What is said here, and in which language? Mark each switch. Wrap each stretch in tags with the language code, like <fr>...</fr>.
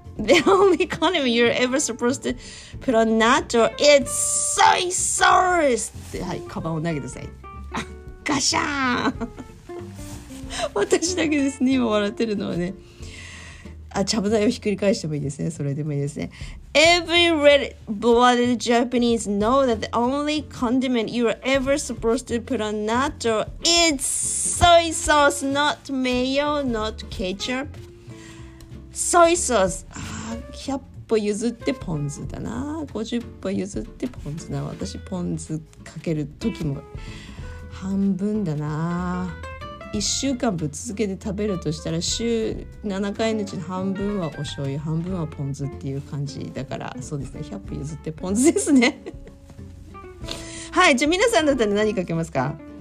<en>the only condiment you're ever supposed to put on nacho. It's soy sauce!</en> <ja>って、はい、カバンを投げてください。ガシャーン私だけですね、今笑ってるのはね。あ、ちゃぶ台をひっくり返してもいいですね。それでもいいですね。</ja> <en>Every red-blooded Japanese know that the only condiment you are ever supposed to put on nacho is soy sauce, not mayo, not ketchup. Soy sauce.</en> <ja>あ、100歩譲ってポン酢だな。50歩譲ってポン酢な。私ポン酢かける時も半分だな。 1週間ぶっ続けて食べるとしたら週7回のうちの半分はお醤油半分はポン酢っていう感じだから、そうですね、100歩譲ってポン酢ですねはい、じゃあ皆さんだったら何かけますか。</ja>